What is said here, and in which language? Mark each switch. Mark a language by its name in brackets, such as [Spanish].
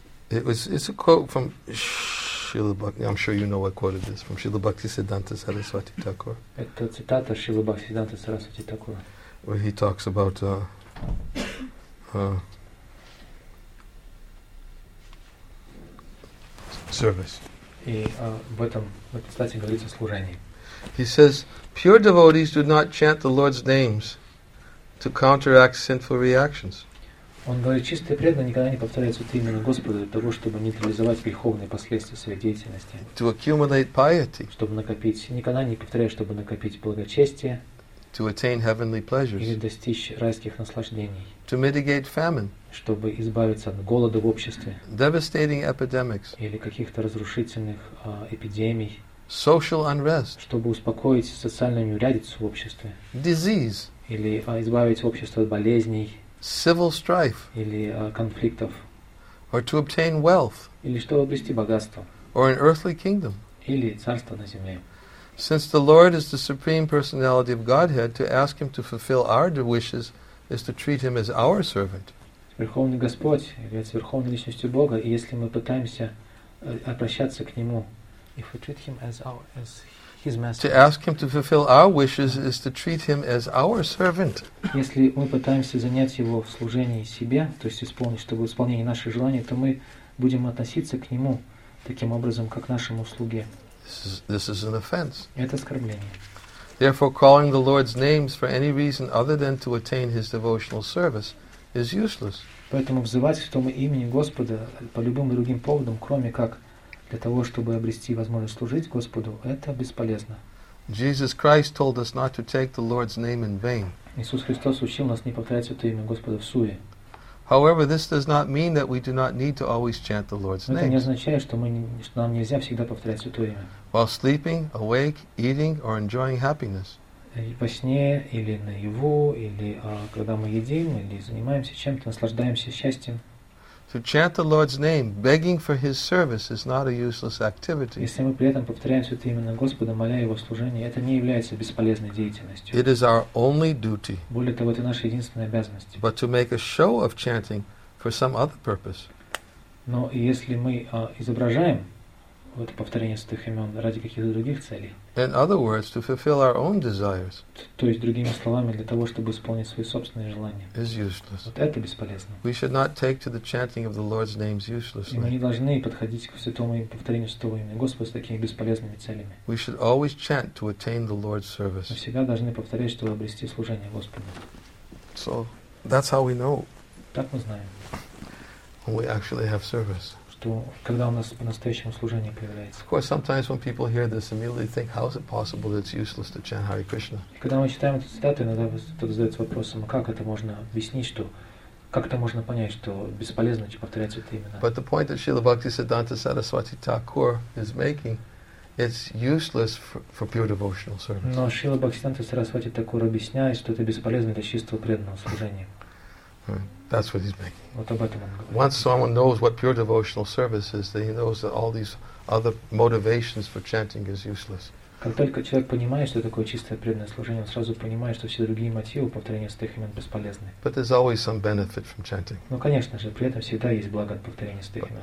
[English] It's a quote from Srila Bhakti. I'm sure you know I quoted this from Srila Bhakti Siddhanta Saraswati Thakur. [Russian] Это цитата Шрилы Бхактисиддханты Сарасвати Такура. [English] Where he talks about service. He says, pure devotees do not chant the Lord's names to counteract sinful reactions. [Russian] Он говорит, чистые преданные никогда не повторяют святые имена Господа для того, чтобы нейтрализовать греховные последствия своей деятельности. [English] To accumulate piety. [Russian] Чтобы накопить, никогда не повторяют, чтобы накопить благочестие. [English] To attain heavenly pleasures. [Russian] Или достичь райских наслаждений. [English] To mitigate famine. [Russian] Чтобы избавиться от голода в обществе. [English] Devastating epidemics. [Russian] Или каких-то разрушительных эпидемий. [English] Social unrest. [Russian] Чтобы успокоить социальную неурядицу в обществе. [English] Disease. [Russian] Или избавить общество от болезней. [English] Civil strife. [Russian] Или конфликтов. [English] Or to obtain wealth. [Russian] Или чтобы обрести богатство. [English] Or an earthly kingdom. [Russian] Или царство на земле. [English] Since the Lord is the Supreme Personality of Godhead, to ask Him to fulfill our wishes is to treat Him as our servant. [Russian] Верховный Господь является верховной личностью Бога, и если мы пытаемся обращаться к Нему, [English] if we treat Him as our as His master. To ask Him to fulfill our wishes is to treat Him as our servant. [Russian] Если мы пытаемся занять Его в служении себе, то есть исполнить, чтобы исполнение наших желаний, то мы будем относиться к Нему таким образом, как нашему слуге. [English] This is an offense. [Russian] Это оскорбление. [English] Therefore, calling the Lord's names for any reason other than to attain His devotional service is useless. [Russian] Поэтому взывать Святому имени Господа по любым другим поводам, кроме как для того, чтобы обрести возможность служить Господу, это бесполезно. [English] Jesus Christ told us not to take the Lord's name in vain. [Russian] Иисус Христос учил нас не повторять Святое имя Господа в суе. [English] However, this does not mean that we do not need to always chant the Lord's name. [Russian] Это не означает, что нам нельзя всегда повторять Святое имя. [English] While sleeping, awake, eating, or enjoying happiness. [Russian] Во сне или наяву, или когда мы едим, или занимаемся чем-то, наслаждаемся счастьем. [English] To chant the Lord's name, begging for His service, is not a useless activity. [Russian] Если мы при этом повторяем Святое имя Господа, моля Его служение, это не является бесполезной деятельностью. [English] It is our only duty. [Russian] Более того, это наша единственная обязанность. [English] But to make a show of chanting for some other purpose. [Russian] Но если мы изображаем это повторение Святых имен ради каких-то других целей. [English] In other words, to fulfill our own desires. [Russian] То есть другими словами, для того, чтобы исполнить свои собственные желания. [English] Is useless. [Russian] Вот это бесполезно. [English] We should not take to the chanting of the Lord's names uselessly. [Russian] И мы не должны подходить к святому имени, повторению Святого имени Господа с такими бесполезными целями. [English] We should always chant to attain the Lord's service. [Russian] Мы всегда должны повторять, чтобы обрести служение Господу. [English] So that's how we know. [Russian] Так мы знаем. [English] When we actually have service. [Russian] То, когда у нас по-настоящему служение появляется. [English] Of course, sometimes when people hear this, immediately think, how is it possible that it's useless to chant Hare Krishna? [Russian] Когда мы читаем эту цитату, иногда кто-то задается вопросом, как это можно объяснить, что как это можно понять, что бесполезно повторять это имя. [English] But the point that Srila Bhaktisiddhanta Saraswati Thakur is making, it's useless for pure devotional service. [Russian] Но Srila Bhaktisiddhanta Saraswati Thakur объясняет, что это бесполезно для чистого преданного служения. [English] That's what he's making. [Russian] Вот об этом он говорит. [English] Once someone knows what pure devotional service is, then he knows that all these other motivations for chanting is useless. [Russian] Как только человек понимает, что такое чистое преданное служение, он сразу понимает, что все другие мотивы повторения святых имен бесполезны. [English] But there's always some benefit from chanting. [Russian] Но, конечно же, при этом всегда есть благо от повторения святых имен.